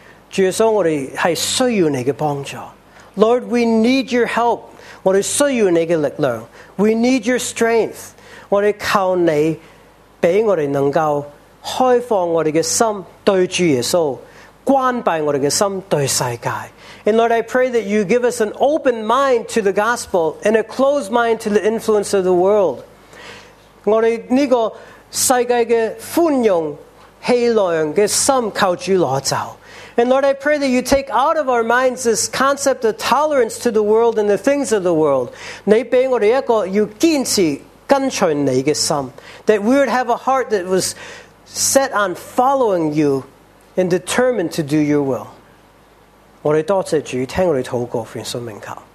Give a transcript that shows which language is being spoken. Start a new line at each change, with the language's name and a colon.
Chinese: 主耶稣，我们是需要你的帮助。
English: Lord, we need your help.
Chinese: 我们需要你的力量。
English: We need your strength.
Chinese: 我们靠你给我们能够开放我们的心对主耶稣，关闭我们的心对世界。
English: And Lord, I pray that you give us an open mind to the gospel and a closed mind to the influence of the world.
Chinese: 我们这个世界的宽容气量的心靠主拿走。
English: And Lord, I pray that you take out of our minds this concept of tolerance to the world and the things of the world.
Chinese: 你给我们一个要坚持跟随你的心，
English: that we would have a heart that was set on following you and determined to do your will.
Chinese: 我们多谢主，听我们祷告，奉主名求。